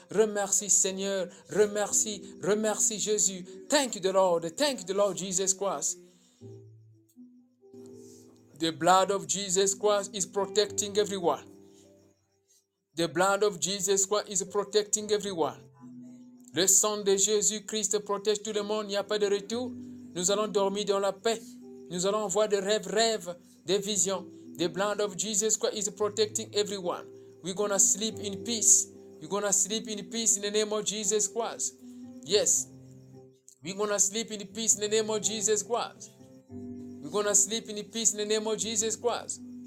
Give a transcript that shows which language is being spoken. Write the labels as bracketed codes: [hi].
[fr] Remercie, Seigneur. Remercie, remercie, Jésus. [en] Thank you, the Lord Jesus Christ. The blood of Jesus Christ is protecting everyone. The blood of Jesus Christ is protecting everyone. Amen. [fr] Le sang de Jésus-Christ protège tout le monde. Il n'y a pas de retour. Nous allons dormir dans la paix. Nous allons voir des rêves, rêves, des visions. [en] The blood of Jesus Christ is protecting everyone. We're going to sleep in peace. We're going to sleep in peace in the name of Jesus Christ. Yes. We're going to sleep in peace in the name of Jesus Christ. We're going to sleep in peace in the name of Jesus Christ.